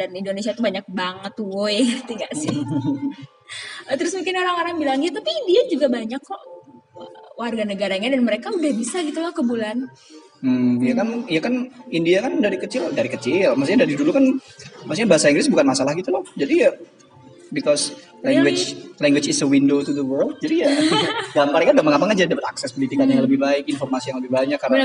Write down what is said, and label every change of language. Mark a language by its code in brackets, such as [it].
[id] Dan Indonesia tuh banyak banget, woi, ngerti gak sih? Terus mungkin orang-orang bilang ya, tapi India juga banyak kok warga negaranya dan mereka udah bisa gitu loh ke bulan. Ya kan India kan dari kecil, maksudnya dari dulu kan, maksudnya bahasa Inggris bukan masalah gitu loh. Jadi ya, [en] because language is a window to the world. [id] Jadi ya, gampangnya kan gampang-gampang aja dapat akses pendidikan yang lebih baik, informasi yang lebih banyak, karena